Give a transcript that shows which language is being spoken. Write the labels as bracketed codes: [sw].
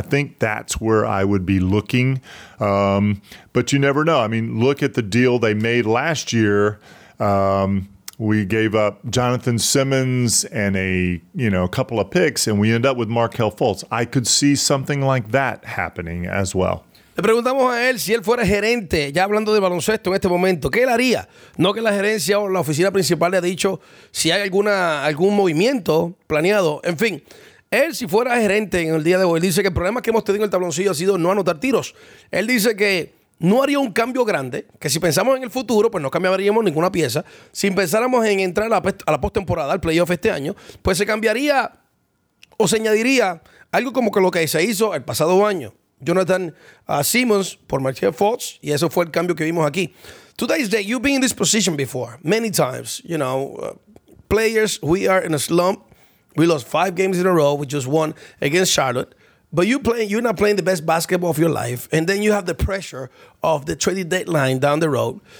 [en] I think that's where I would be looking. But you never know. I mean, look at the deal they made last year. We gave up Jonathan Simmons and a couple of picks, and we end up with Markelle Fultz. I could see something like that happening as well. [es] Le preguntamos a él si él fuera gerente, ya hablando de baloncesto en este momento, ¿qué él haría? No que la gerencia o la oficina principal le ha dicho si hay algún movimiento planeado. En fin, él si fuera gerente en el día de hoy, él dice que el problema que hemos tenido en el tabloncillo ha sido no anotar tiros. Él dice que no haría un cambio grande, que si pensamos en el futuro, pues no cambiaríamos ninguna pieza. Si pensáramos en entrar a la postemporada, al playoff este año, pues se cambiaría o se añadiría algo como que lo que se hizo el pasado año. Jonathan Simmons por Markelle Fultz, y eso fue el cambio que vimos aquí. [en] Today's day, you've been in this position before, many times. You know, players, we are in a slump. We lost 5 games in a row. We just won against Charlotte. But you're not playing the best basketball of your life. And then you have the pressure of the trading deadline down the road.